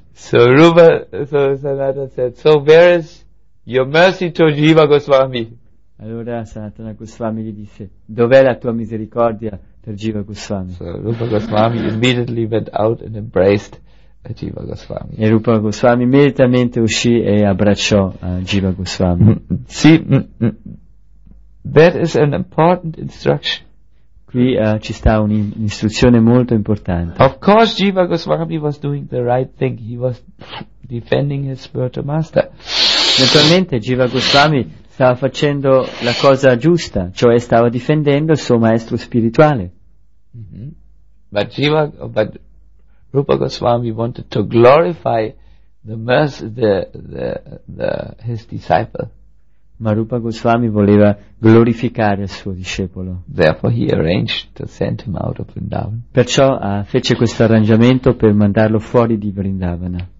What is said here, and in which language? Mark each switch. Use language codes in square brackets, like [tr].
[en] So Rupa, so Sanatana said, so where is your mercy to Jiva Goswami? [it] Allora Sanatana Goswami gli disse, dov'è la tua misericordia per Jiva Goswami? [en] So Rupa Goswami immediately went out and embraced Jiva Goswami. [it] E Rupa Goswami immediatamente uscì e abbracciò Jiva Goswami. [en] That is an important instruction. [it] Qui ci sta un'istruzione molto importante. [en] Of course Jiva Goswami was doing the right thing. He was defending his spiritual master. [it] Naturalmente Jiva Goswami stava facendo la cosa giusta, cioè stava difendendo il suo maestro spirituale. [en] But Rupa Goswami wanted to glorify his disciple. [it] Ma Rupa Goswami voleva glorificare il suo discepolo. [en] Therefore he arranged to send him out of Vrindavan. [it] Perciò fece questo arrangiamento per mandarlo fuori di Vrindavana.